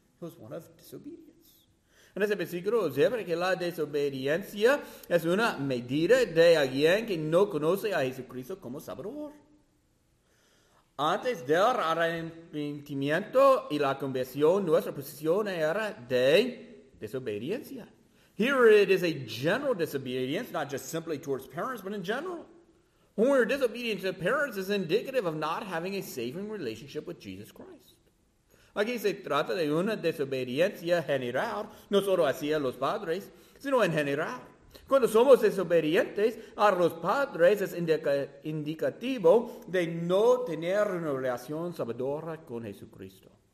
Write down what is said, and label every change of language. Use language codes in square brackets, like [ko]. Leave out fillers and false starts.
[en] It was one of disobedience. [es] En ese versículo, observa que la desobediencia es una medida de alguien que no conoce a Jesucristo como Salvador. Antes del arrepentimiento y la conversión, nuestra posición era de desobediencia. [en] Here it is a general disobedience, not just simply towards parents, but in general. When we are disobedient to parents, it's indicative of not having a saving relationship with Jesus Christ. [es] Aquí se trata de una desobediencia general, no solo hacia los padres, sino en general. Cuando somos desobedientes a los padres, es indicativo de no tener una relación salvadora con Jesucristo.